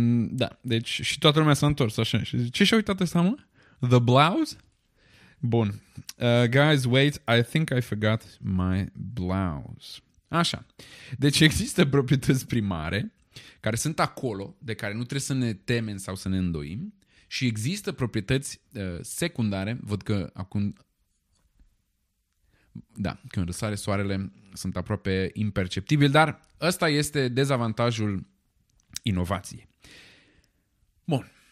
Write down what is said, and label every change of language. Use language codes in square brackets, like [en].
[ro] Da, deci și toată lumea s-a întors așa și zice, ce și-a uitat ăsta, mă? [en] The blouse? [ro] Bun. [en] Guys, wait, I think I forgot my blouse. [ro] Așa. Deci există proprietăți primare care sunt acolo, de care nu trebuie să ne temem sau să ne îndoim. Și există proprietăți secundare, văd că acum, da, când răsare soarele, sunt aproape imperceptibil, dar ăsta este dezavantajul inovației. Bun.